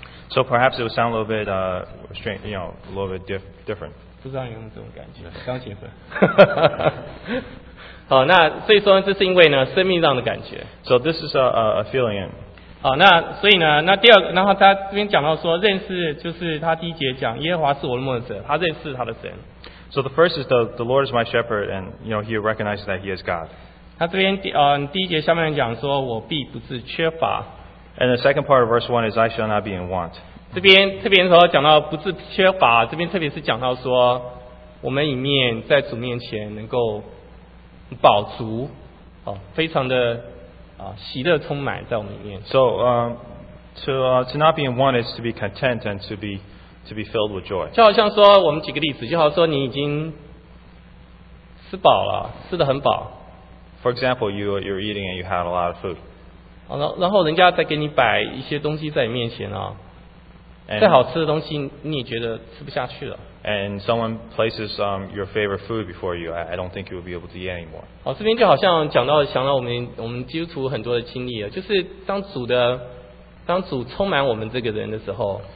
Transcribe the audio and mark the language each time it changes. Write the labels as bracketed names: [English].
[English] So perhaps it would sound a little bit strange, you know, a little bit different. [Chinese] 不知道有没有这种感觉，刚结婚。好，那所以说这是因为呢，生命上的感觉。 [English] So this is a feeling. [Chinese] 好，那所以呢，那第二，然后他这边讲到说，认识就是他第一节讲耶和华是我的牧者，他认识他的神。 [English] So the first is the Lord is my shepherd, and you know, he recognizes that he is God. [Chinese] 他这边第一节下面讲说，我必不致缺乏。 [English] And the second part of verse 1 is, I shall not be in want. [Chinese] 这边说讲到不致缺乏，这边特别是讲到说，我们里面在主面前能够饱足，非常的喜乐充满在我们里面。 [English] So to not be in want is to be content and to be filled with joy. [Chinese] 就好像说我们举个例子，就好像说你已经吃饱了，吃得很饱。 [English] For example, you're eating and you had a lot of food. [Chinese] 然后人家再给你摆一些东西在你面前啊，再好吃的东西你也觉得吃不下去了。 [English] And someone places your favorite food before you, I don't think you will be able to eat anymore. [Chinese] 好，这边就好像想到我们基督徒很多的经历了，就是当主充满我们这个人的时候。